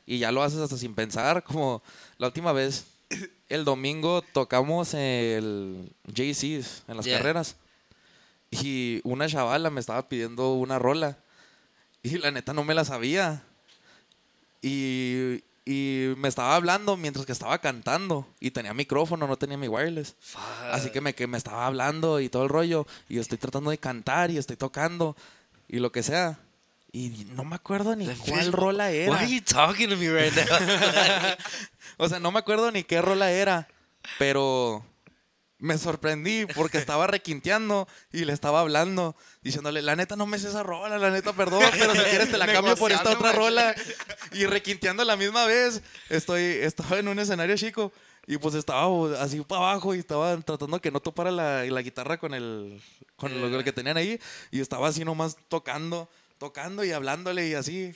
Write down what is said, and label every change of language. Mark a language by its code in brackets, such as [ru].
[es] Y ya lo haces hasta sin pensar, como la última vez, el domingo tocamos el JC's en las carreras, y una chavala me estaba pidiendo una rola, y la neta no me la sabía, y me estaba hablando mientras que estaba cantando. Y tenía micrófono, no tenía mi wireless. [en] Fuck. [es] Así que me estaba hablando y todo el rollo. Y estoy tratando de cantar y estoy tocando. Y lo que sea. Y no me acuerdo ni cuál rola era. [en] Why are you talking to me right now? [es] O sea, no me acuerdo ni qué rola era. Pero me sorprendí porque estaba requinteando y le estaba hablando, diciéndole, la neta no me sé esa rola, la neta perdón, pero si quieres te la cambio por esta otra rola. Y requinteando la misma vez, estaba en un escenario chico y pues estaba así para abajo y estaba tratando que no topara la guitarra con el que tenían ahí, y estaba así nomás tocando y hablándole y así.